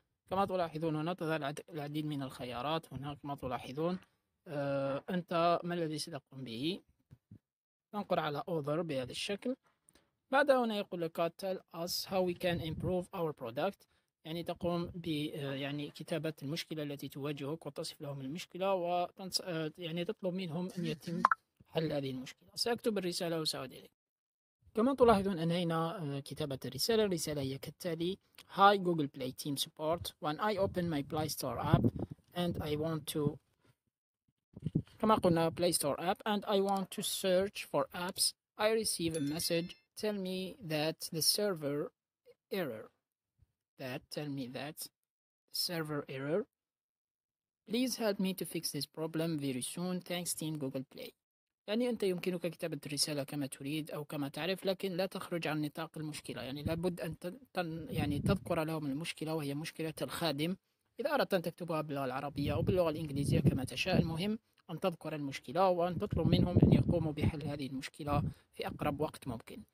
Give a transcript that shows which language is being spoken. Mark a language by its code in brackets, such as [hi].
[ar] كما تلاحظون هنا تظهر العديد من الخيارات، هناك كما تلاحظون أنت ما الذي ستقوم به؟ تنقر على Other بهذا الشكل، بعدها هنا يقول لك [en] Tell us how we can improve our product [ar] يعني تقوم ب يعني كتابة المشكلة التي تواجهك وتصف لهم المشكلة يعني تطلب منهم أن يتم حل هذه المشكلة. سأكتب الرسالة وسأعود إليك. كما تلاحظون أنهينا كتابة الرسالة. الرسالة هي كالتالي: [en] Hi Google Play Team Support. When I open my Play Store app and I want to [ar] كما قلنا [en] Play Store app and I want to search for apps, I receive a message tell me that the server error. Please help me to fix this problem very soon. Thanks Team Google Play. [ar] يعني أنت يمكنك كتابة الرسالة كما تريد أو كما تعرف، لكن لا تخرج عن نطاق المشكلة، يعني لابد أن يعني تذكر لهم المشكلة وهي مشكلة الخادم. إذا أردت أن تكتبها باللغة العربية أو باللغة الإنجليزية كما تشاء، المهم أن تذكر المشكلة وأن تطلب منهم أن يقوموا بحل هذه المشكلة في أقرب وقت ممكن.